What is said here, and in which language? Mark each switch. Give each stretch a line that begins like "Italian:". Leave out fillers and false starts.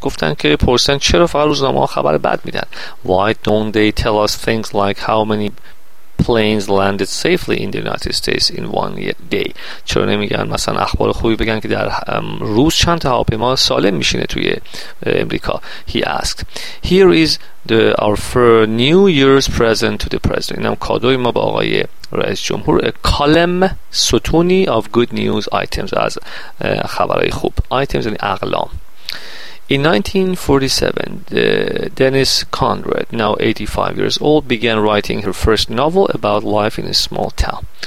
Persian: گفتن که پرسن چرا فقط روزنامه ها خبر بد میدن.
English: Why don't they tell us things like how many planes landed safely in the United States in one day.
Persian: چرا نمیگن مثلا اخبار خوبی بگن که در روز چند تا هواپیما سالم میشینه توی امریکا.
English: He asked. Here is our for New Year's present to the president.
Persian: اینم کادوی ما به آقای رئیس جمهور.
English: A column,
Persian: ستونی
English: of good news items,
Persian: از خبرهای خوب.
English: Items
Persian: یعنی اقلام.
English: In 1947, Dennis Conrad, now 85 years old, began writing her first novel about life in a small town.